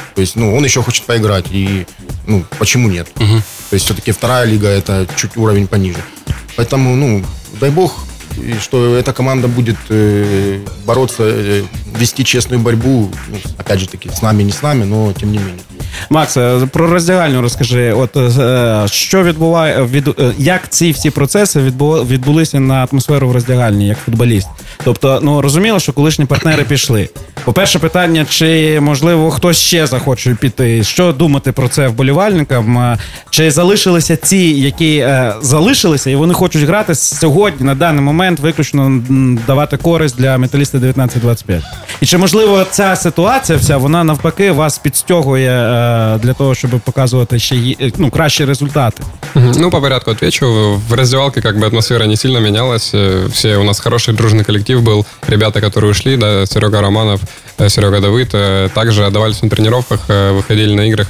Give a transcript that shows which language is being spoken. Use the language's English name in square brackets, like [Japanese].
[Russian] То есть, ну, он еще хочет поиграть. И, ну, почему нет? Угу. То есть, все-таки вторая лига, это чуть уровень пониже. Поэтому, ну, дай бог, и что эта команда будет бороться, вести честную борьбу, ну, опять же таки, с нами, не с нами, но тем не менее. [Ukrainian] Макс, про роздягальню розкажи. От, що відбуває, як ці всі процеси відбулися на атмосферу в роздягальні, як футболіст? Тобто, ну, розуміло, що колишні партнери пішли. По-перше, питання, чи, можливо, хтось ще захоче піти. Що думати про це вболівальникам? Чи залишилися ті, які залишилися, і вони хочуть грати сьогодні, на даний момент, виключно давати користь для «Металіста 1925»? І чи, можливо, ця ситуація вся, вона навпаки вас підстьогує [Russian] для того, чтобы показывать еще кращие результаты? Ну, по порядку отвечу. В раздевалке как бы атмосфера не сильно менялась. Все у нас хороший дружный коллектив был. Ребята, которые ушли, да, Серега Романов, Серега Давыд, также отдавались на тренировках, выходили на играх.